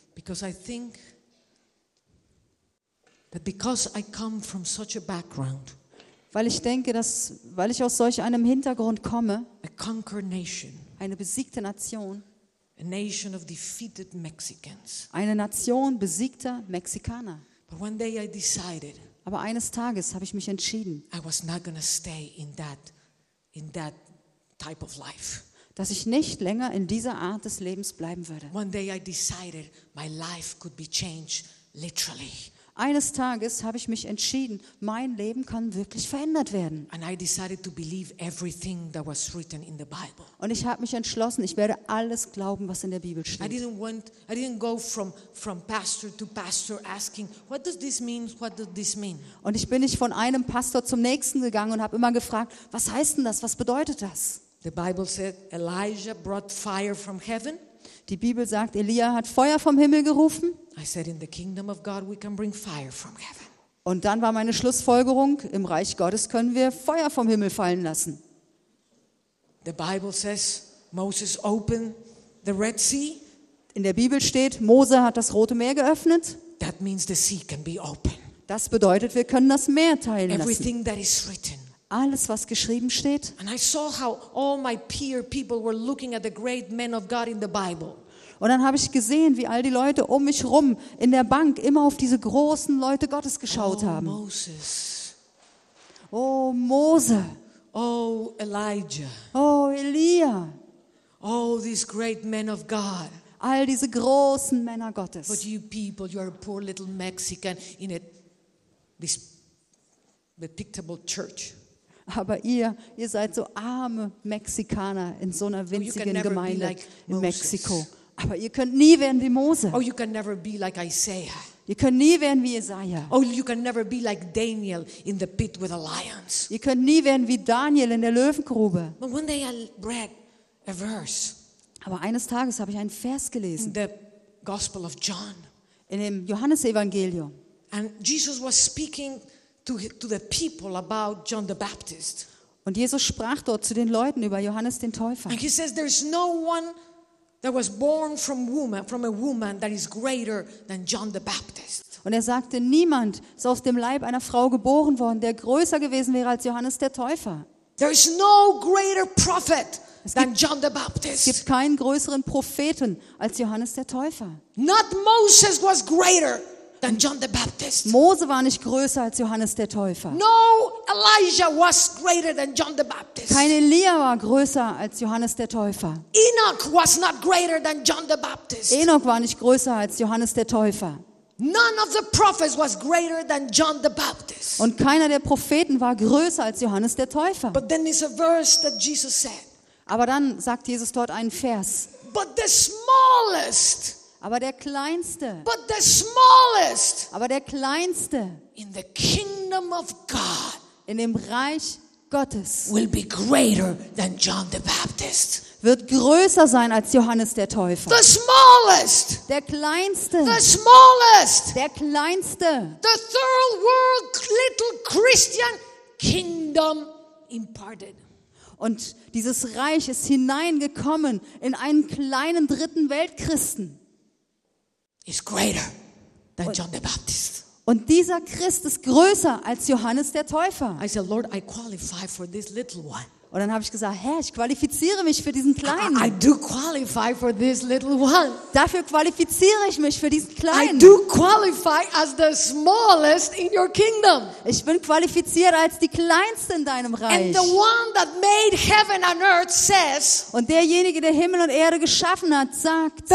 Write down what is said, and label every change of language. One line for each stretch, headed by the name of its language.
English: Because I think that because I come from such a background,
German: Weil ich denke, dass, weil ich aus solch einem Hintergrund komme,
English: a conquered nation,
German: eine besiegte Nation,
English: a nation of defeated Mexicans,
German: eine Nation besiegter Mexikaner.
English: But one day I decided,
German: aber eines Tages habe ich mich entschieden,
English: I was not gonna stay in that type of life.
German: Dass ich nicht länger in dieser Art des Lebens bleiben würde.
English: One day I decided my life could be changed literally.
German: Eines Tages habe ich mich entschieden, mein Leben kann wirklich verändert werden.
English: And I decided to believe everything that was written in the Bible.
German: Und ich habe mich entschlossen, ich werde alles glauben, was in der Bibel steht.
English: I didn't go from pastor to pastor asking, what does this mean? What does this mean?
German: Und ich bin nicht von einem Pastor zum nächsten gegangen und habe immer gefragt, was heißt denn das? Was bedeutet das?
English: The Bible said Elijah brought fire from heaven.
German: Die Bibel sagt, Elia hat Feuer vom Himmel gerufen.
English: I said, in the kingdom of God we can bring fire from heaven.
German: Und dann war meine Schlussfolgerung, im Reich Gottes können wir Feuer vom Himmel fallen lassen.
English: The Bible says Moses opened the Red Sea.
German: In der Bibel steht, Mose hat das Rote Meer geöffnet.
English: That means the sea can be open.
German: Das bedeutet, wir können das Meer teilen lassen.
English: Everything that is written.
German: Alles, was geschrieben steht.
English: And I saw how all my peer people were looking at the great men of God in the Bible.
German: Und dann habe ich gesehen, wie all die Leute um mich rum in der Bank immer auf diese großen Leute Gottes geschaut haben.
English: Oh, Moses.
German: Oh, Mose.
English: Oh, Elijah.
German: Oh, Elia.
English: Oh, these great men of God.
German: All diese großen Männer Gottes.
English: But you people, you are a poor little Mexican in a respectable church.
German: Aber ihr seid so arme Mexikaner in so einer winzigen Gemeinde
English: like
German: in Mexiko. Aber ihr könnt nie werden wie Mose.
English: Oh, you can never be like Isaiah.
German: Ihr könnt nie werden wie Jesaja.
English: Oh, you can never be like Daniel in the pit with the lions.
German: Ihr könnt nie werden wie Daniel in der Löwengrube.
English: But one day I read a verse.
German: Aber eines Tages habe ich einen Vers gelesen.
English: In the Gospel of John.
German: In dem Johannesevangelium.
English: And Jesus was speaking to the people about John the Baptist.
German: Und Jesus sprach dort zu den Leuten über Johannes den Täufer.
English: And he says, there's no one that was born from a woman that is greater than John the Baptist.
German: Und er sagte, niemand ist aus dem Leib einer Frau geboren worden, der größer gewesen wäre als Johannes der Täufer.
English: There is no greater prophet than John the Baptist.
German: Es gibt keinen größeren Propheten als Johannes der Täufer.
English: Not Moses was greater than John the Baptist.
German: Mose war nicht größer als Johannes der Täufer.
English: No, Elijah was greater than John the Baptist.
German: Kein Elia war größer als Johannes der Täufer.
English: Enoch was not greater than John the Baptist.
German: Enoch war nicht größer als Johannes der Täufer.
English: None of the prophets was greater than John the Baptist.
German: Und keiner der Propheten war größer als Johannes der Täufer.
English: But then is a verse that Jesus said.
German: Aber dann sagt Jesus dort einen Vers.
English: But the smallest.
German: Aber der Kleinste.
English: But the smallest.
German: Aber der Kleinste.
English: In the kingdom of God.
German: In dem Reich Gottes.
English: Will be greater than John the Baptist.
German: Wird größer sein als Johannes der Täufer.
English: The smallest.
German: Der Kleinste.
English: The smallest.
German: Der Kleinste.
English: The third world little Christian kingdom imparted.
German: Und dieses Reich ist hineingekommen in einen kleinen dritten Weltchristen.
English: Is greater than John the Baptist.
German: Und dieser Christ ist größer als Johannes der Täufer.
English: I said, Lord, I qualify for this little one.
German: Und dann habe ich gesagt, Herr, ich qualifiziere mich für diesen Kleinen.
English: I do qualify for this little one.
German: Dafür qualifiziere ich mich für diesen Kleinen.
English: I do qualify as the smallest in your kingdom.
German: Ich bin qualifiziert als die Kleinste in deinem Reich.
English: And the one that made heaven and earth says,
German: und derjenige, der Himmel und Erde geschaffen hat, sagt,